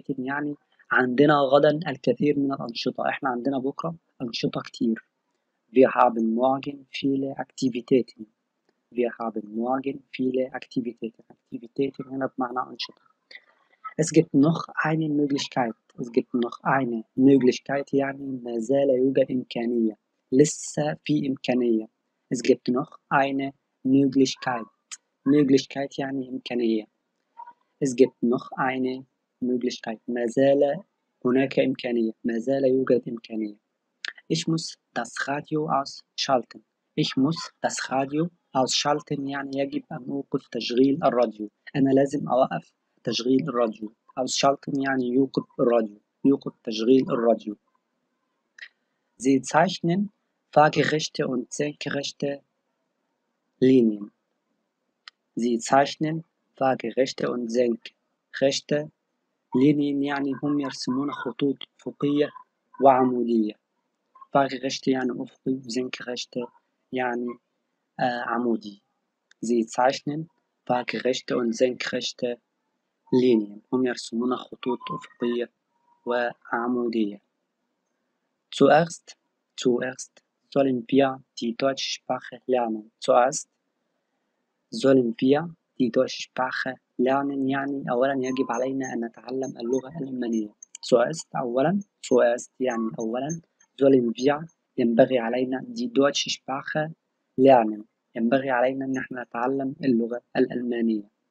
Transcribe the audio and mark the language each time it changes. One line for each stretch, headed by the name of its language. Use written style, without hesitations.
Arabic: يعني عندنا غدا الكثير من الأنشطة. إحنا عندنا بكرة أنشطة كتير.
German: Wir haben morgen viele Aktivitäten. Wir haben morgen viele Aktivitäten.
Arabic: Aktivitäten هنا بمعنى أنشطة.
German: Es gibt noch eine Möglichkeit. Es gibt noch eine Möglichkeit.
Arabic: يعني ما زال يوجد إمكانية. لسه في إمكانية.
German: Es gibt noch eine Möglichkeit.
Arabic: Möglichkeit يعني إمكانية.
German: Es gibt noch eine Möglichkeit.
Arabic: ما زال هناك إمكانية. ما زال يوجد إمكانية.
German: Ich muss das Radio ausschalten. Ich muss das Radio ausschalten.
Arabic: يعني يجب أن أوقف تشغيل الراديو. أنا لازم أوقف تشغيل الراديو. Ausschalten يعني يوقف الراديو. يوقف تشغيل الراديو.
German: Sie zeichnen Waagerechte und senkrechte Linien. Sie zeichnen waagerechte und senkrechte Linien.
Arabic: يعني هم يرسمون خطوط أفقية وعمودية. Waagerechte يعني أفقي، senkrechte يعني عمودي.
German: Sie zeichnen waagerechte und senkrechte Linien.
Arabic: هم يرسمون خطوط أفقية وعمودية.
German: Zuerst sollen wir die deutsche Sprache lernen. Zuerst sollen wir die deutsche Sprache lernen.
Arabic: يعني أولا يجب علينا أن نتعلم اللغة الألمانية. Zuerst يعني أولا.
German: Sollen wir
Arabic: ينبغي علينا
German: die deutsche Sprache lernen.
Arabic: ينبغي علينا أن نحن نتعلم اللغة الألمانية.